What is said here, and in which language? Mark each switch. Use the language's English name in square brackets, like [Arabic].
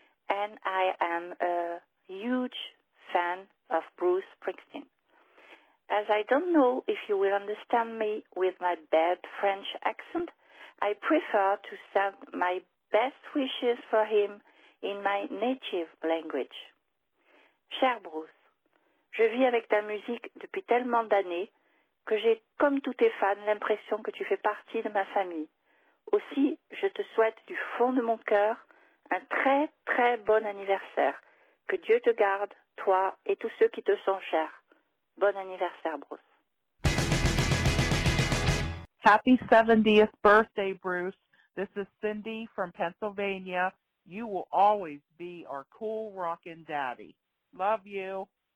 [English] And I am a huge fan of Bruce Springsteen. As I don't know if you will understand me with my bad French accent, I prefer to send my best wishes for him in my native language. [French] Cher Bruce, je vis avec ta musique depuis tellement d'années que j'ai, comme tous tes fans, l'impression que tu fais partie de ma famille. Aussi, je te souhaite du fond de mon cœur un très très bon anniversaire. Que Dieu te garde, toi et tous ceux qui te sont chers. Bon anniversaire, Bruce. [English] Happy 70th birthday, Bruce. This is Cindy from Pennsylvania. You will always be our cool rockin' daddy. Love you.